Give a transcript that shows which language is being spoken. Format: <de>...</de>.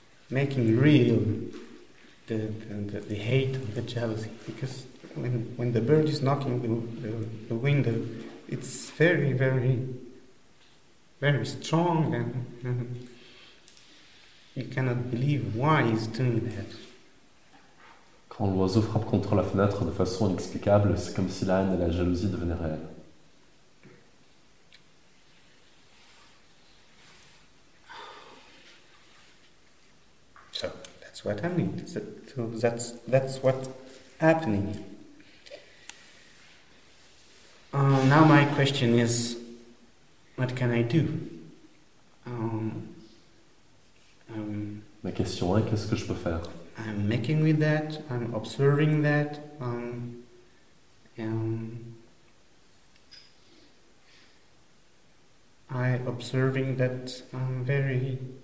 <en>making real the hate and the jealousy, because when the bird is knocking the window, it's very, very, very strong, and you cannot believe why he's doing that.</en> <fr>Quand l'oiseau frappe contre la fenêtre de façon inexplicable, c'est comme si la haine et la jalousie devenaient réelles.</fr> <en>What I mean, that's what's happening. Now my question is, what can I do?</en> <fr>Ma question est, qu'est-ce que je peux faire?</fr> <en>I'm making with that. I'm observing that. I'm observing that I'm very.</en>